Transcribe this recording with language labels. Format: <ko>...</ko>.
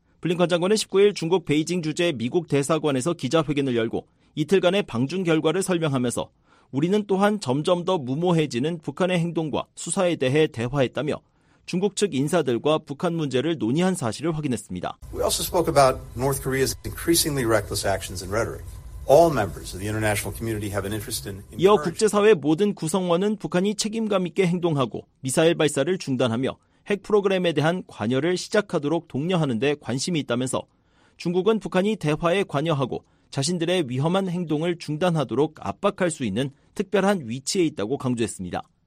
<ko>블링컨 장관은 19일 중국 베이징 주재 미국 대사관에서 기자회견을 열고 이틀간의 방중 결과를 설명하면서 우리는 또한 점점 더 무모해지는 북한의 행동과 수사에 대해 대화했다며 중국 측 인사들과 북한 문제를 논의한 사실을 확인했습니다.</ko> <en>We also spoke about North Korea's increasingly reckless actions and rhetoric. All members of the international community have an interest in.</en> <ko>이어 국제사회 모든 구성원은 북한이 책임감 있게 행동하고 미사일 발사를 중단하며 핵 프로그램에 대한 관여를 시작하도록 독려하는 데 관심이 있다면서 중국은 북한이 대화에 관여하고 자신들의 위험한 행동을 중단하도록 압박할 수 있는 특별한 위치에 있다고 강조했습니다.</ko>